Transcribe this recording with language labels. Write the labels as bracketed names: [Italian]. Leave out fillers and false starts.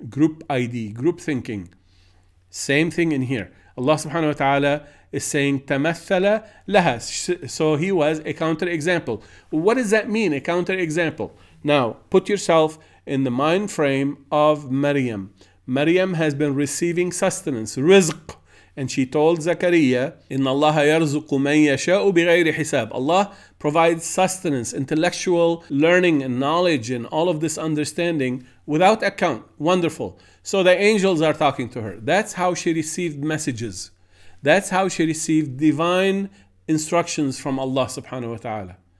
[English] Group ID, group thinking. Same thing in here. Allah subhanahu wa ta'ala is saying تَمَثَّلَ لَهَا. So he was a counterexample. What does that mean, a counterexample? Now, put yourself in the mind frame of Maryam. Maryam has been receiving sustenance, rizq. And she told Zakariya, [Arabic] إِنَّ اللَّهَ يَرْزُقُ مَنْ يَشَاءُ بِغَيْرِ حِسَابٍ. [English] Allah provides sustenance, intellectual learning and knowledge and all of this understanding without account. Wonderful. So the angels are talking to her. That's how she received messages. That's how she received divine instructions from Allah subhanahu wa ta'ala.